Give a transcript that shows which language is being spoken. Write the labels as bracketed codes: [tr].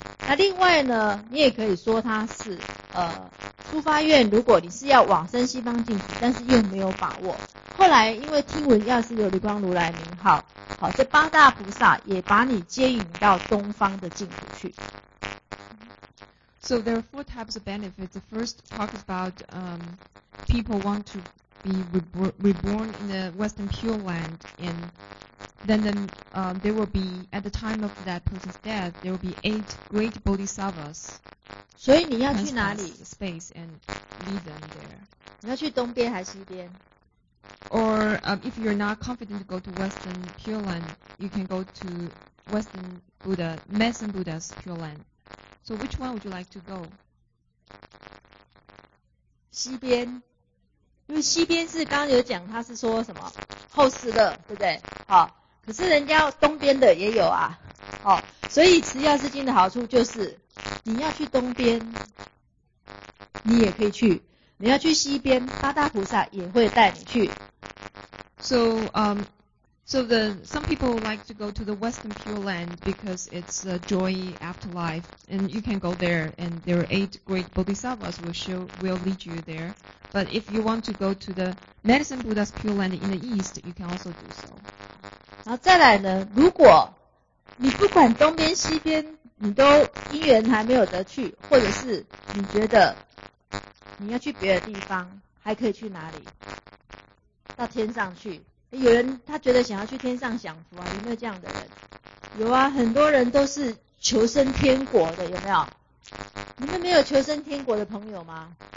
[zh] 那另外呢，你也可以说它是初发愿，如果你是要往生西方净土，但是又没有把握，后来因为听闻药师琉璃光如来名号。好，这八大菩萨也把你接引到东方的净土去。 [en] So there are four types of benefits. The first talks about people want to be reborn in the Western Pure Land, and then there will be at the time of that person's death, there will be eight great bodhisattvas. [zh] 所以你要去哪里 [en] ？Space and lead them there. [zh] 你要去东边还是西边？ [en] Or if you're not confident to go to Western Pure Land, you can go to Western Buddha, Medicine Buddha's Pure Land. So which one would you like to go? [zh] 西边，因为西边是刚刚有讲，他是说什么后世的，对不对？好，可是人家东边的也有啊。好，所以持药师经的好处就是，你要去东边，你也可以去。你要去西边，八大菩萨也会带你去。 [en] So some people like to go to the Western Pure Land because it's a joy afterlife, and you can go there, and there are eight great bodhisattvas will lead you there. But if you want to go to the Medicine Buddha's Pure Land in the East, you can also do so. [zh] 然后再来呢，如果你不管东边西边，你都因缘还没有得去，或者是你觉得。你要去别的地方还可以去哪里到天上去有人他觉得想要去天上享福啊有没有这样的人有啊很多人都是求生天国的有没有你们没有求生天国的朋友吗